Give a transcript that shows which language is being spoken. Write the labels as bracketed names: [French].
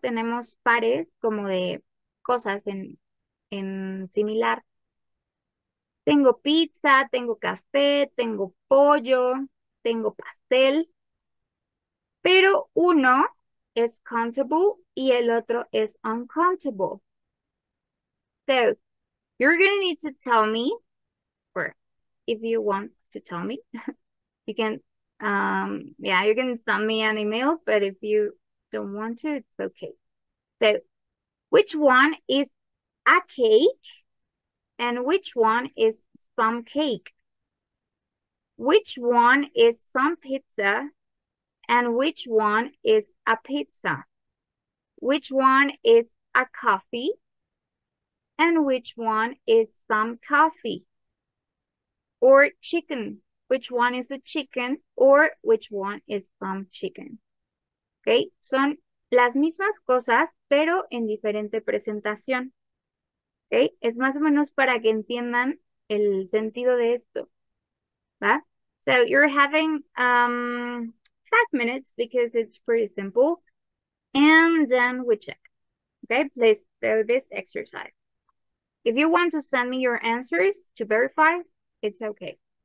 [Spanish] Tenemos pares como de cosas en similar. Tengo pizza, tengo café, tengo pollo, tengo pastel, pero uno es countable y el otro es uncountable. [English] So, you're gonna need to tell me, or if you want to tell me, you can, yeah, you can send me an email, but if you don't want to, it's okay. So, which one is a cake and which one is some cake? Which one is some pizza and which one is a pizza? Which one is a coffee and which one is some coffee? Or chicken, which one is a chicken or which one is some chicken? [Spanish] Okay, son las mismas cosas, pero en diferente presentación. Okay, es más o menos para que entiendan el sentido de esto. ¿Va? [English] So you're having 5 minutes because it's pretty simple. And then we check. Okay, please do this exercise. If you want to send me your answers to verify, it's okay.